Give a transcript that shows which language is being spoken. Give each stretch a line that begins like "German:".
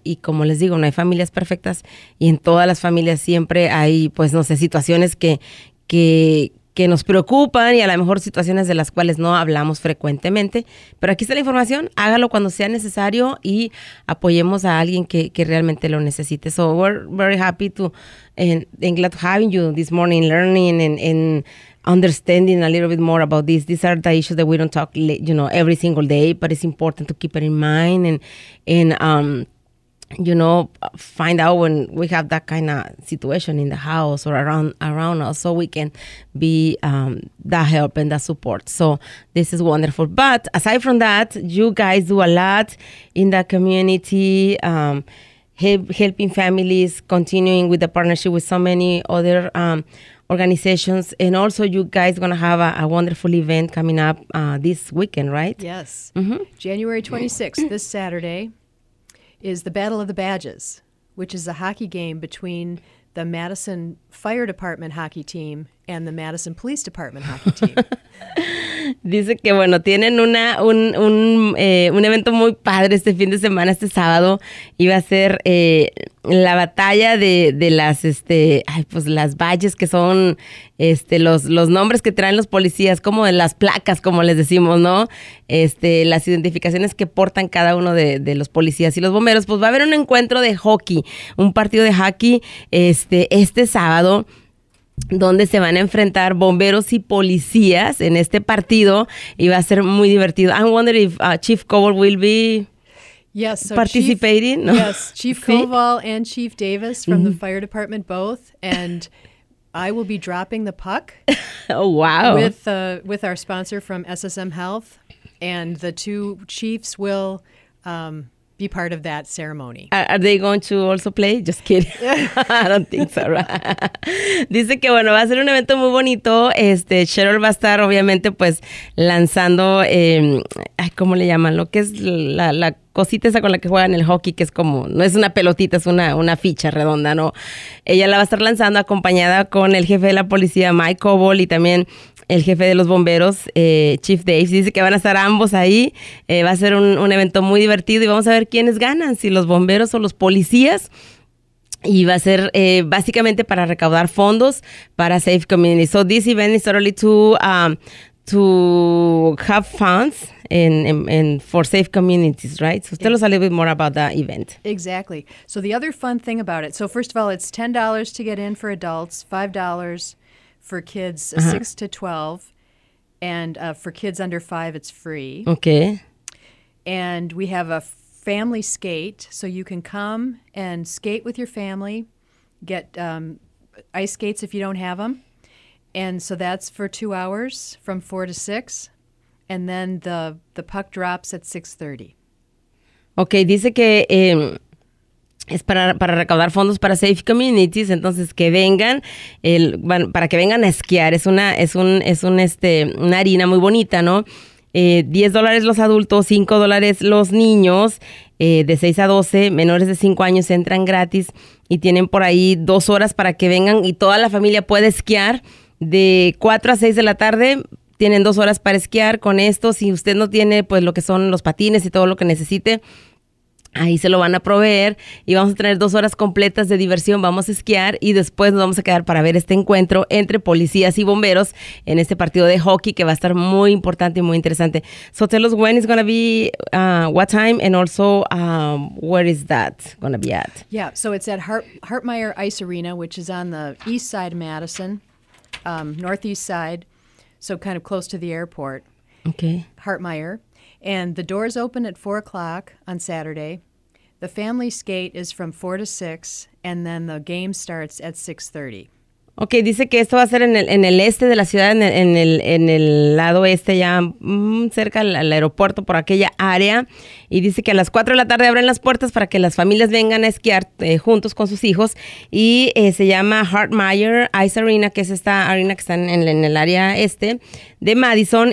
Spanish: Y como les digo, no hay familias perfectas, y en todas las familias siempre hay, pues no sé, situaciones que nos preocupan y a lo mejor situaciones de las cuales no hablamos frecuentemente. Pero aquí está la información. Hágalo cuando sea necesario y apoyemos a alguien que realmente lo necesite.
English: So we're very happy to and glad to have you this morning, learning and understanding a little bit more about this. These are the issues that we don't talk, you know, every single day, but it's important to keep it in mind and you know, find out when we have that kind of situation in the house or around us, so we can be that help and that support. So this is wonderful. But aside from that, you guys do a lot in the community, helping families, continuing with the partnership with so many other organizations. And also, you guys are going to have a wonderful event coming up this weekend, right? Yes. Mm-hmm. January 26th, this Saturday, is the Battle of the Badges, which is a hockey game between the Madison Fire Department hockey team and the Madison Police Department hockey team.
Spanish: Dice que, bueno, tienen un evento muy padre este fin de semana, este sábado. Iba a ser la batalla de las, pues las badges, que son los nombres que traen los policías, como de las placas, como les decimos, ¿no? Las identificaciones que portan cada uno de los policías y los bomberos. Pues va a haber un encuentro de hockey, un partido de hockey este sábado, donde se van a enfrentar bomberos y policías en este partido, y va a ser muy divertido.
English: I wonder if Chief Cobalt will be participating.
Spanish: Chief, no?
English: Yes, Chief Cobalt and Chief Davis from the fire department both, and I will be dropping the puck. Oh, wow. With our sponsor from SSM Health, and the two chiefs will be part of that ceremony. Are they going to also play? Just kidding. I don't think so.
Spanish: Dice que, bueno, va a ser un evento muy bonito. Cheryl va a estar, obviamente, pues, lanzando, ¿cómo le llaman? Lo que es la cosita esa con la que juegan el hockey, que es como, no es una pelotita, es una ficha redonda, ¿no? Ella la va a estar lanzando acompañada con el jefe de la policía, Mike Cobalt, y también el jefe de los bomberos, Chief Dave. Dice que van a estar ambos ahí. Va a ser un evento muy divertido y vamos a ver quiénes ganan, si los bomberos o los policías. Y va a ser básicamente para recaudar fondos para Safe Community.
English: So this event is totally to have funds and for safe communities, right? So tell us a little bit more about that event. Exactly. So the other fun thing about it, so first of all, it's $10 to get in for adults, $5 for kids 6 to 12, and for kids under 5, it's free. Okay. And we have a family skate, so you can come and skate with your family, get ice skates if you don't have them. And so that's for 2 hours from 4 to 6, and then the puck drops at 6:30.
Spanish: Okay, dice que es para recaudar fondos para Safe Communities, entonces que vengan, para que vengan a esquiar, una arena muy bonita, ¿no? $10 los adultos, $5 los niños, de 6 a 12, menores de 5 años entran gratis y tienen por ahí 2 horas para que vengan y toda la familia puede esquiar de 4 a 6 de la tarde. Tienen 2 horas para esquiar con esto. Si usted no tiene, pues, lo que son los patines y todo lo que necesite, ahí se lo van a proveer y vamos a tener 2 horas completas de diversión. Vamos a esquiar y después nos vamos a quedar para ver este encuentro entre policías y bomberos en este partido de hockey que va a estar muy importante y muy interesante.
English: So tell us when it's going to be, what time, and also where is that going to be at? Yeah, so it's at Hartmeyer Ice Arena, which is on the east side of Madison, northeast side, so kind of close to the airport. Okay. Hartmeyer. And the doors open at 4 o'clock on Saturday. The family skate is from 4 to 6, and then the game starts at 6:30.
Spanish: Okay, dice que esto va a ser en el este de la ciudad, en el lado este, ya cerca al aeropuerto, por aquella área. Y dice que a las 4 de la tarde abren las puertas para que las familias vengan a esquiar juntos con sus hijos. Y se llama Hartmeyer Ice Arena, que es esta arena que está en el área este de Madison.